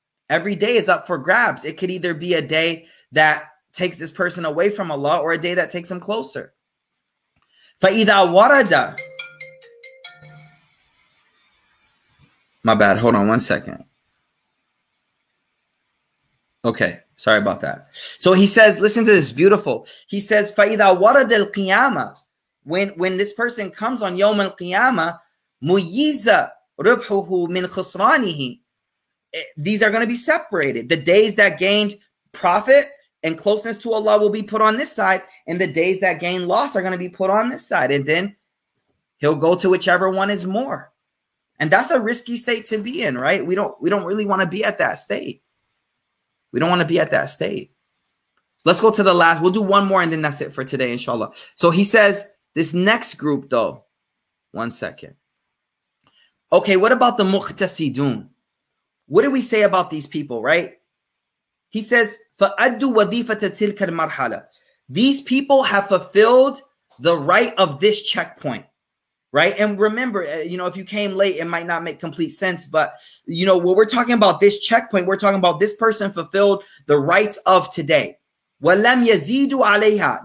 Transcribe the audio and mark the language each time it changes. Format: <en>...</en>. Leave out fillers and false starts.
<en>Every day is up for grabs. It could either be a day that takes this person away from Allah or a day that takes them closer.</en> <ar>فَإِذَا وَرَدَ.</ar> <en>My bad. Hold on one second. Okay. Sorry about that. So he says, listen to this. Beautiful. He says,</en> <ar>فَإِذَا وَرَدَ الْقِيَامَةِ.</ar> <en>When this person comes on</en> <ar>يَوْمَ الْقِيَامَةِ مُيِّزَ رُبْحُهُ مِنْ خُسْرَانِهِ.</ar> <en>These are going to be separated. The days that gained profit and closeness to Allah will be put on this side, and the days that gained loss are going to be put on this side. And then he'll go to whichever one is more. And that's a risky state to be in, right? We don't really want to be at that state. We don't want to be at that state. So let's go to the last. We'll do one more, and then that's it for today, inshallah. So he says this next group, though. One second. Okay, what about the muqtasidun? What do we say about these people, right? He says,</en> <ar>فَأَدُّوا وَظِيفَةَ تِلْكَ الْمَرْحَلَةِ.</ar> <en>These people have fulfilled the right of this checkpoint, right? And remember, you know, if you came late, it might not make complete sense. But, you know, when we're talking about this checkpoint, we're talking about this person fulfilled the rights of today.</en> <ar>وَلَمْ يَزِيدُ عَلَيْهَا.</ar>